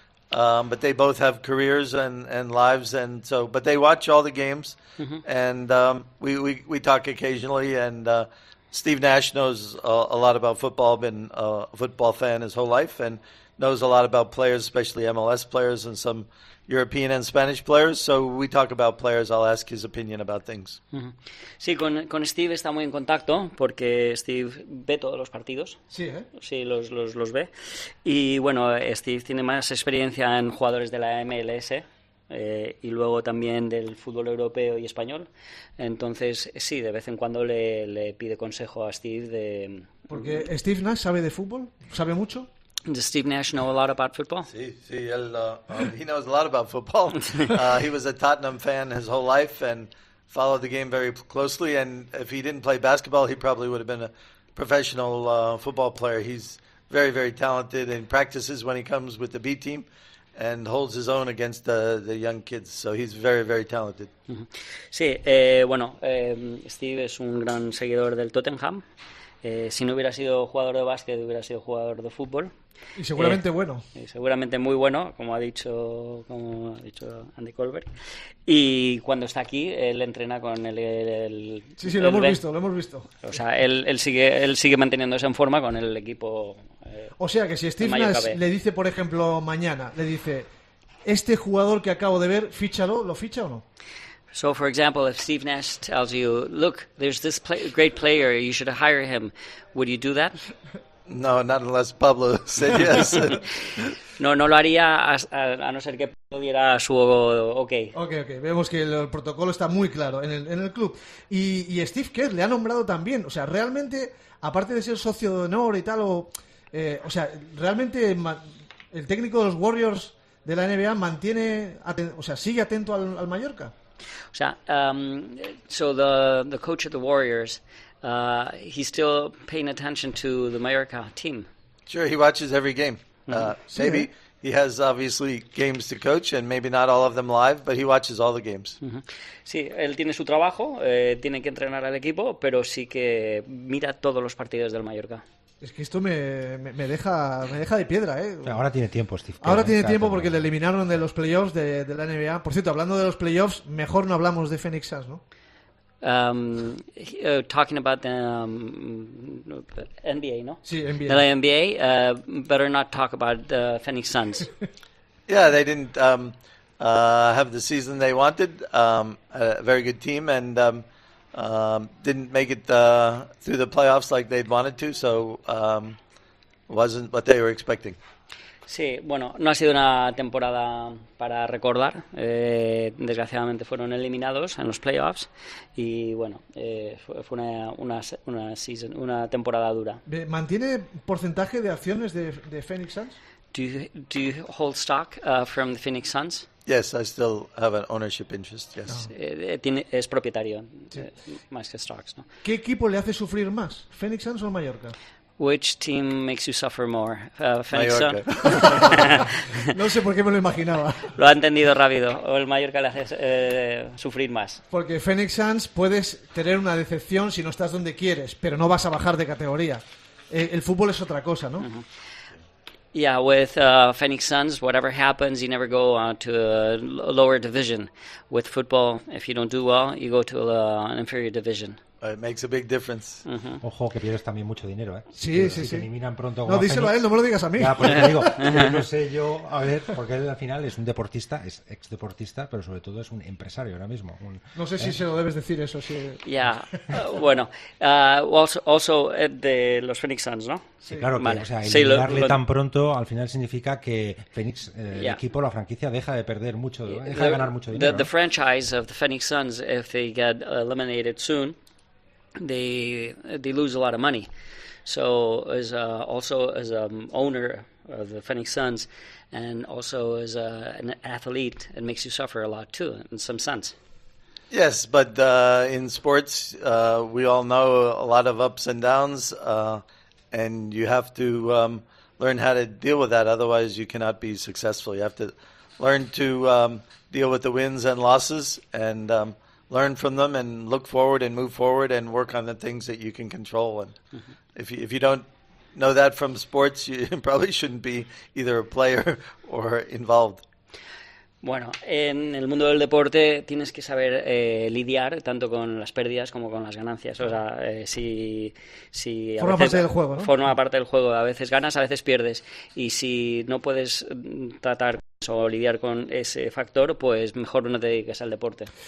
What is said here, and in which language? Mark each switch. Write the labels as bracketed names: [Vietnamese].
[English] But they both have careers and lives, and so, but they watch all the games, and we talk occasionally, and Steve Nash knows a lot about football, been a football fan his whole life, and knows a lot about players, especially MLS players and some European and Spanish players. So we talk about players. I'll ask his opinion about things. [Spanish] Sí, con Steve está muy en contacto porque Steve ve todos los partidos. Sí, ¿eh? Sí, los ve. Y bueno, Steve tiene más experiencia en jugadores de la MLS y luego también del fútbol europeo y español. Entonces, sí, de vez en cuando le pide consejo a Steve de... Porque Steve Nash sabe de fútbol, sabe mucho. [English] Does Steve Nash know a lot about football? Sí, he knows a lot about football. He was a Tottenham fan his whole life and followed the game very closely. And if he didn't play basketball, he probably would have been a professional football player. He's very, very talented and practices when he comes with the B team and holds his own against the young kids. So he's very, very talented. [Spanish] Sí, Steve es un gran seguidor del Tottenham. Si no hubiera sido jugador de básquet, hubiera sido jugador de fútbol. Y seguramente bueno. Y seguramente muy bueno, como ha dicho Andy Colbert. Y cuando está aquí, él entrena con el sí, sí, lo hemos visto. O sea, él sigue manteniéndose en forma con el equipo. O sea, que si Steve Nash le dice, por ejemplo, mañana, le dice, este jugador que acabo de ver, fíchalo, ¿lo ficha o no? [English] So, for example, if Steve Nash tells you, look, there's this great player, you should hire him, would you do that? No, not unless Pablo said yes. [Spanish] No lo haría a no ser que Pablo diera su okay. [English] Okay. [Spanish] Vemos que el protocolo está muy claro en el club. Y Steve Kerr le ha nombrado también. O sea, realmente, aparte de ser socio de honor y tal, el técnico de los Warriors de la NBA mantiene, sigue atento al Mallorca. O sea, [English] so the coach of the Warriors, he's still paying attention to the Mallorca team. Sure, he watches every game. Maybe he has obviously games to coach, and maybe not all of them live, but he watches all the games. [Spanish] Sí, él tiene su trabajo, tiene que entrenar al equipo, pero sí que mira todos los partidos del Mallorca. Es que esto me deja de piedra, ¿eh? Ahora tiene tiempo, Steve. Ahora tiene tiempo porque le eliminaron de los playoffs de la NBA. Por cierto, hablando de los playoffs, mejor no hablamos de Phoenix Suns, ¿no? [English] Talking about the NBA, ¿no? [Spanish] Sí, NBA. [English] The NBA, better not talk about the Phoenix Suns. Yeah, they didn't have the season they wanted. A very good team and... didn't make it through the playoffs like they'd wanted to, so wasn't what they were expecting. [Spanish] Sí, bueno, no ha sido una temporada para recordar. Desgraciadamente fueron eliminados en los playoffs y bueno, fue una temporada dura. ¿Mantiene porcentaje de acciones de Phoenix Suns? [English] Do you hold stock from the Phoenix Suns? Yes, I still have an ownership interest, yes. [Spanish] Es propietario, sí. Más que stocks, ¿no? ¿Qué equipo le hace sufrir más, Phoenix Suns o Mallorca? [English] Which team makes you suffer more, Phoenix Mallorca. Suns? [Spanish] No sé por qué me lo imaginaba. Lo ha entendido rápido, o el Mallorca le hace sufrir más. Porque Phoenix Suns puedes tener una decepción si no estás donde quieres, pero no vas a bajar de categoría. El fútbol es otra cosa, ¿no? Uh-huh. [English] Yeah, with Phoenix Suns, whatever happens, you never go to a lower division. With football, if you don't do well, you go to an inferior division. It makes a big difference. [Spanish] Mm-hmm. Ojo, que pierdes también mucho dinero, ¿eh? Sí, sí, sí. Si te eliminan pronto. No, díselo a él, no me lo digas a mí. Ya, pues te digo, no sé yo, a ver, porque él al final es un deportista, es ex deportista, pero sobre todo es un empresario ahora mismo. No sé si se lo debes decir eso, sí. Yeah, bueno, also de los Phoenix Suns, ¿no? Sí, claro, vale. Que, o sea, eliminarle tan pronto al final significa que Phoenix, yeah, el equipo, la franquicia, deja de perder mucho, deja de ganar mucho dinero. [English] The franchise of the Phoenix Suns, if they get eliminated soon, they lose a lot of money. So as also as an owner of the Phoenix Suns and also as an athlete, it makes you suffer a lot too, in some sense. Yes, but in sports, we all know a lot of ups and downs, and you have to learn how to deal with that. Otherwise, you cannot be successful. You have to learn to deal with the wins and losses and learn from them and look forward and move forward and work on the things that you can control. And if you don't know that from sports, you probably shouldn't be either a player or involved. [Spanish] Bueno, en el mundo del deporte tienes que saber lidiar tanto con las pérdidas como con las ganancias. O sea, si forma parte del juego, ¿no? Forma parte del juego. A veces ganas, a veces pierdes. Y si no puedes tratar o lidiar con ese factor, pues mejor no te dediques al deporte.